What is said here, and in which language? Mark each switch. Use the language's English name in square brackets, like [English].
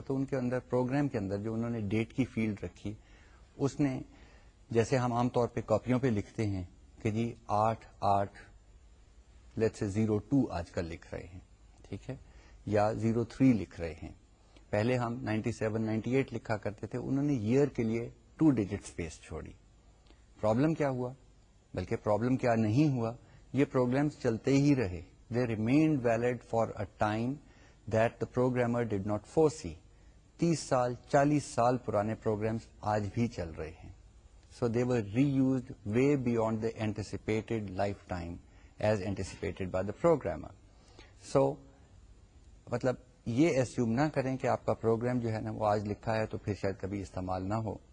[Urdu] تو ان کے اندر پروگرام کے اندر جو انہوں نے ڈیٹ کی فیلڈ رکھی اس نے, جیسے ہم عام طور پہ کاپیوں پہ لکھتے ہیں کہ جی 8802 آج کل لکھ رہے ہیں, ٹھیک ہے, یا 03 لکھ رہے ہیں. پہلے ہم 97-98 لکھا کرتے تھے, انہوں نے ایئر کے لیے 2 ڈیجٹ اسپیس چھوڑی. پرابلم کیا ہوا, بلکہ پرابلم کیا نہیں ہوا, یہ پروگرامز چلتے ہی رہے. [English] They remained valid for a time that the programmer did not foresee. [Urdu] 30 سال 40 سال پرانے پروگرامز آج بھی چل رہے ہیں. [English] So they were reused way beyond the anticipated lifetime as anticipated by the programmer. [Urdu] سو مطلب یہ ایسیوم نہ کریں کہ آپ کا پروگرام جو ہے نا وہ آج لکھا ہے تو پھر شاید کبھی استعمال نہ ہو.